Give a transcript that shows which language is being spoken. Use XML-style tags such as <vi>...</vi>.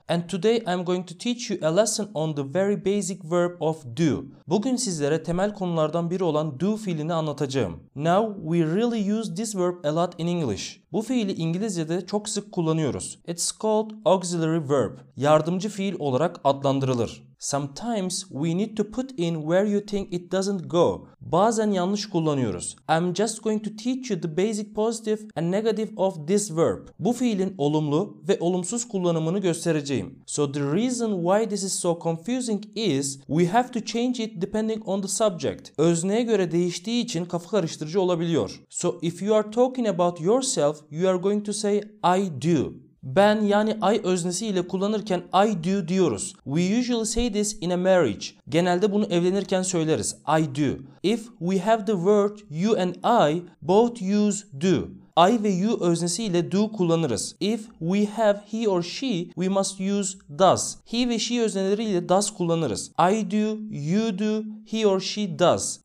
<en>And today I'm going to teach you a lesson on the very basic verb of do.</en> <tr>Bugün sizlere temel konulardan biri olan do fiilini anlatacağım.</tr> <en>Now, we really use this verb a lot in English.</en> <tr>Bu fiili İngilizce'de çok sık kullanıyoruz.</tr> <en>It's called auxiliary verb.</en> <tr>Yardımcı fiil olarak adlandırılır.</tr> <en>Sometimes we need to put in where you think it doesn't go.</en> <tr>Bazen yanlış kullanıyoruz.</tr> <en>I'm just going to teach you the basic positive and negative of this verb.</en> <tr>Bu fiilin olumlu ve olumsuz kullanımını göstereceğim.</tr> <en>So the reason why this is so confusing is we have to change it depending on the subject.</en> <tr>Özneye göre değiştiği için kafa karıştırıcı olabiliyor.</tr> <en>So if you are talking about yourself, you are going to say I do.</en> <tr>Ben yani I öznesi ile kullanırken I do diyoruz.</tr> <en>We usually say this in a marriage.</en> <tr>Genelde bunu evlenirken söyleriz.</tr> <en>I do. If we have the word you and I, both use do.</en> <tr>I ve you öznesi ile do kullanırız.</tr> <en>If we have he or she, we must use does.</en> <tr>He ve she özneleri ile does kullanırız.</tr> <en>I do, you do, he or she does.</en>